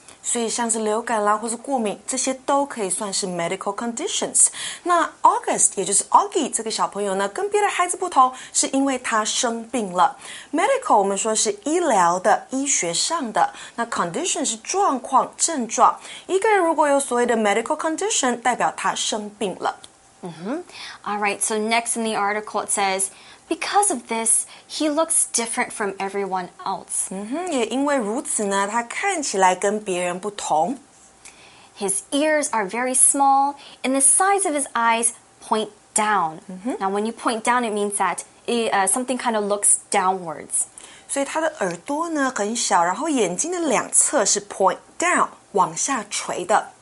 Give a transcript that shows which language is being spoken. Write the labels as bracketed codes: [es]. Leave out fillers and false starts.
[zh] 所以像是流感啦或是过敏这些都可以算是 medical conditions 那 August 也就是 Augie 这个小朋友呢跟别的孩子不同是因为他生病了 medical 我们说是医疗的医学上的那 condition 是状况症状一个人如果有所谓的 medical condition 代表他生病了、 [en] Alright, so next in the article it saysBecause of this, he looks different from everyone else. [zh] 也因为如此呢，他看起来跟别人不同。 [en] His ears are very small, and the sides of his eyes point down. Now, when you point down, it means that something kind of looks downwards. [zh] 所以他的耳朵呢很小，然后眼睛的两侧是 point down, 往下垂的。